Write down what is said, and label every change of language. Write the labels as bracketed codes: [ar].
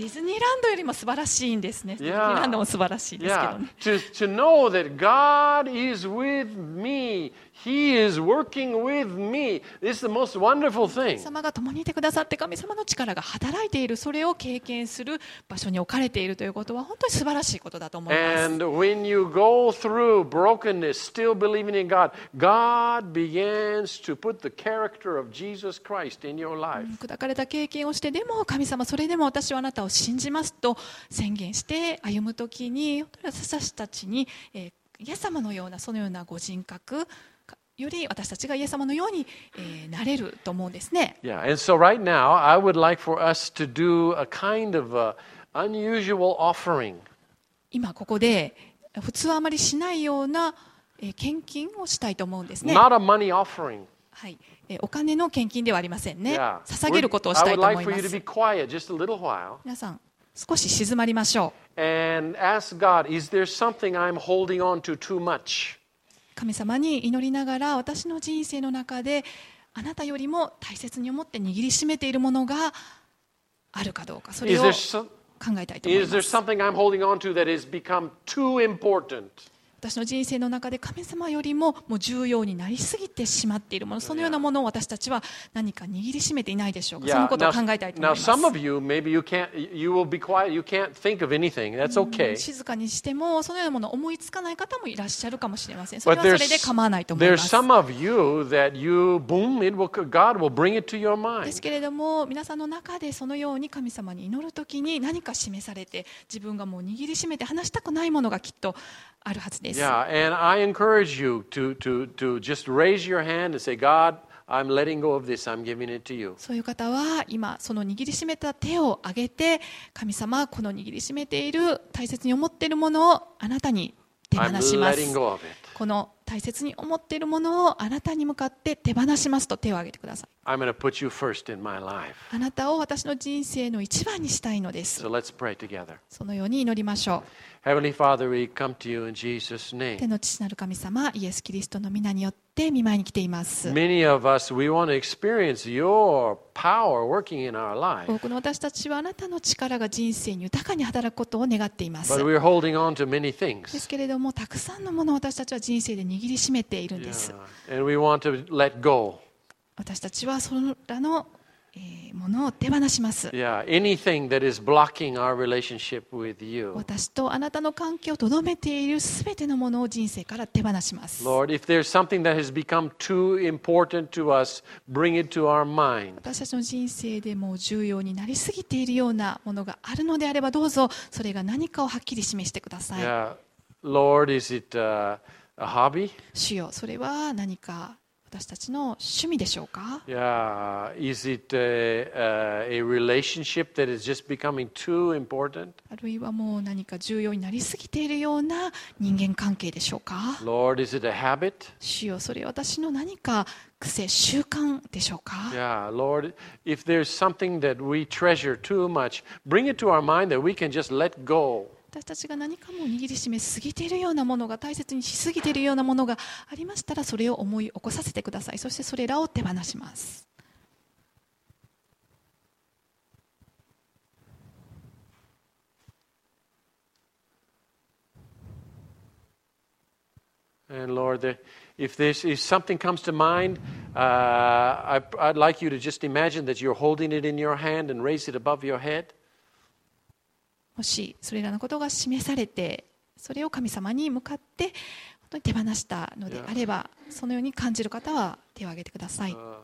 [ja] ディズニーランドよりも素晴らしいんですね。 [en] Yeah. [ja] ディズニーランドも素晴らしいですけどね。 [en] Yeah. To know that God is with me. He is working with me. This is the most wonderful thing. [ja] 神様が共にいてくださって神様の力が働いている、それを経験する場所に置かれているということは本当に素晴らしいことだと思います。 [en] And when you go through brokenness, still believing in God, God begins to put the character of Jesus Christ in your life. [ja] 砕かれた経験をして、でも神様、それでも私はあなたを信じますと宣言して歩むときに、私たちにイエス様のような、そのようなご人格、より私たちがイエス様のように、なれると思うんですね。 [en] Yeah, and so right now I would like for us to do a kind of a unusual offering. [ja] 今ここで普通はあまりしないような、献金をしたいと思うんですね。 [en] Not a money offering. [ja] はい、お金の献金ではありませんね。 [en] Yeah. [ja] 捧げることをしたいと思います。 [en] I would like for you to be quiet just a little while. [ja] 皆さん、少し静まりましょう。 [en] And ask God, is there something I'm holding on to too much? [ja] 神様に祈りながら、私の人生の中であなたよりも大切に思って握りしめているものがあるかどうか、それを考えたいと思います。 [en] Is there something I'm holding on to that has become too important? [ja] 私の人生の中で神様よりも、もう重要になりすぎてしまっているもの、そのようなものを私たちは何か握りしめていないでしょうか。 [en] Yeah. [ja] そのことを考えたいと思います。 [en] Now, some of you, maybe you can't, you will be quiet, you can't think of anything. That's okay. [ja] 静かにしても、そのようなものを思いつかない方もいらっしゃるかもしれません。それはそれで構わないと思います。 [en] There's some of you that you, boom, it will, God will bring it to your mind. [ja] ですけれども、皆さんの中でそのように神様に祈るときに何か示されて、自分がもう握りしめて話したくないものがきっとあるはずです。 [en] Yeah, and I encourage you to just raise your hand and say, God, I'm letting go of this. I'm giving it to you. [ja] そういう方は今その握りしめた手を挙げて、神様、この握りしめている大切に思っているものをあなたに手放します。 [en] I'm letting go of it. [ja] この大切に思っているものをあなたに向かって手放しますと手を挙げてください。 [en] I'm going to put you first in my life. [ja] あなたを私の人生の一番にしたいのです。 [en] So let's pray together. [ja] そのように祈りましょう。 [en] Heavenly Father, we come to you in Jesus' name. [ja] 天の父なる神様、イエス・キリストの御名によって御前に来ています。 [en] Many of us, we want to experience your power working in our life. [ja] 多くの私たちはあなたの力が人生に豊かに働くことを願っています。 [en] But we're holding on to many things. [ja] ですけれども、たくさんのものを私たちは人生で握りしめているんです。 [en] Yeah. And we want to let go. [ja] 私たちはそれらのものを手放します。 [en] Yeah, anything that is blocking our relationship with you. [ja] 私とあなたの関係をとどめているすべてのものを人生から手放します。 [en] Lord, if there's something that has become too important to us, bring it to our mind. [ja] 私たちの人生でも重要になりすぎているようなものがあるのであれば、どうぞそれが何かをはっきり示してください。 [en] Yeah, Lord, is it a hobby? [ja] 主よ、それは何か。私たちの趣味でしょうか。 [en] Yeah, is it a relationship that is just becoming too important? [ja] あるいはもう何か重要になりすぎているような人間関係でしょうか。 [en] Lord, is it a habit? [ja] 主よ、それ私の何か癖、習慣でしょうか。 [en] Yeah, Lord, if there's something that we treasure too much, bring it to our mind that we can just let go. [ja] 私たちが何かも握りしめすぎているようなものが、大切にしすぎているようなものがありましたら、それを思い起こさせてください。そしてそれらを手放します。 [en] And Lord, if this is something comes to mind, I'd like you to just imagine that you're holding it in your hand and raise it above your head. [ja] もしそれらのことが示されて、それを神様に向かって本当に手放したのであれば、そのように感じる方は手を挙げてください。